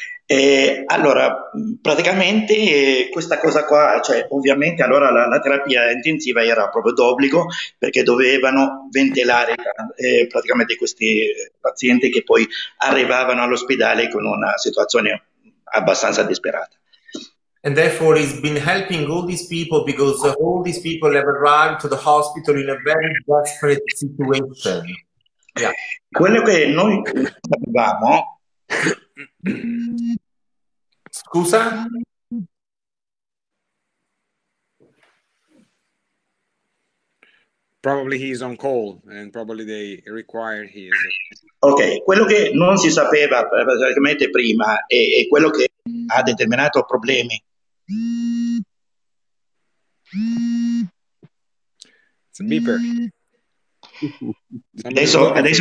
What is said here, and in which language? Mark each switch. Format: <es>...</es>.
<it>E allora, praticamente questa cosa qua, cioè ovviamente allora la terapia intensiva era proprio d'obbligo, perché dovevano ventilare praticamente questi pazienti che poi arrivavano all'ospedale con una situazione abbastanza disperata.</it> <en>And therefore he's been helping all these people because all these people have arrived to the hospital in a very desperate situation.</en> <it>Yeah. Quello che noi sapevamo. Scusa?</it> <en>Probably he's on call and probably they require his.</en> <it>Ok, quello che non si sapeva praticamente prima è quello che ha determinato problemi.</it> <en>It's a beeper.</en> <it>Adesso.</it>